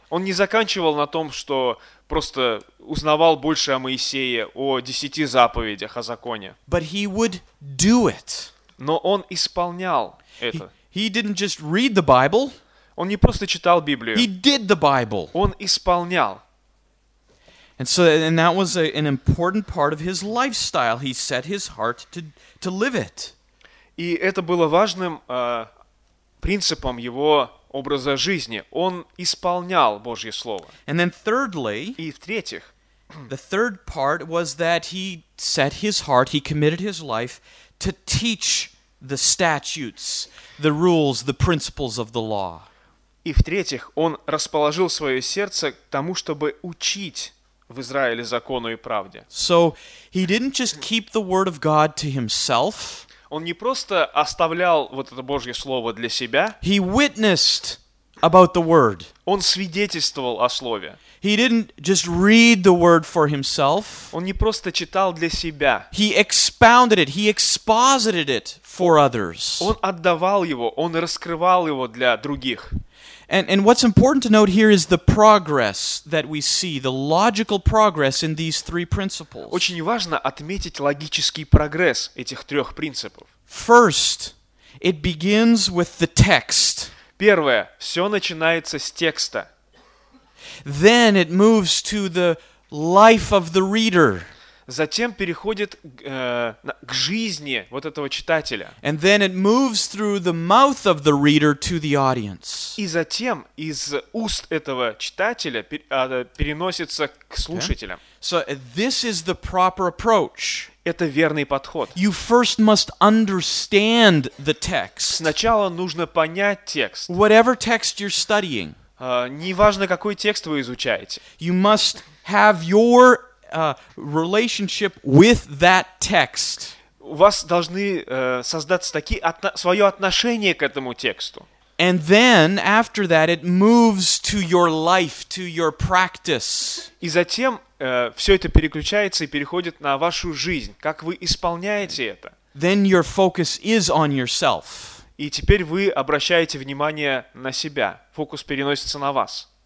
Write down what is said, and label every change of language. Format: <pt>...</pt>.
<ru>Он не заканчивал на том, что просто узнавал больше о Моисее, о десяти заповедях, о законе.</ru> <en>But he would do it.</en> <ru>Но он исполнял это.</ru> <en>He didn't just read the Bible.</en> <ru>Он не просто читал Библию.</ru> <en>He did the Bible.</en> <ru>Он исполнял.</ru> <en>And so, and that was an important part of his lifestyle. He set his heart to live it.</en> <ru>И это было важным принципом его образа жизни. Он исполнял Божье слово.</ru> <en>And then thirdly,</en> <ru>и в-третьих,</ru> <en>the third part was that he set his heart, he committed his life to teach the statutes, the rules, the principles of the law.</en> <ru>И в-третьих, он расположил свое сердце к тому, чтобы учить в Израиле закону и правде.</ru> <en>So he didn't just keep the word of God to himself.</en> <ru>Он не просто оставлял вот это Божье слово для себя.</ru> <en>He witnessed about the word.</en> <ru>Он свидетельствовал о слове.</ru> <en>He didn't just read the word for himself.</en> <ru>Он не просто читал для себя.</ru> <en>He expounded it, he exposited it for others.</en> <ru>Он отдавал его, он раскрывал его для других.</ru> <en>And what's important to note here is the progress that we see, the logical progress in these three principles.</en> <ru>Очень важно отметить логический прогресс этих трех принципов.</ru> <en>First, it begins with the text.</en> <ru>Первое, все начинается с текста.</ru> <en>Then it moves to the life of the reader.</en> <ru>Затем переходит к жизни вот этого читателя.</ru> <en>And then it moves through the mouth of the reader to the audience.</en> <ru>И затем из уст этого читателя переносится к слушателям.</ru> <en>Okay. So this is the proper approach.</en> <ru>Это верный подход.</ru> <en>You first must understand the text.</en> <ru>Сначала нужно понять текст.</ru> <en>Whatever text you're studying.</en> <ru>Неважно, какой текст вы изучаете.</ru> <en>You must have your relationship with that text.</en> <ru>У вас должны создаться такие свое отношение к этому тексту.</ru> <en>And then after that it moves to your life, to your practice.</en> <ru>И затем все это переключается и переходит на вашу жизнь, как вы исполняете это.</ru> <en>Then your focus is on yourself.</en> <ru>И теперь вы обращаете внимание на себя. Фокус переносится на вас.</ru>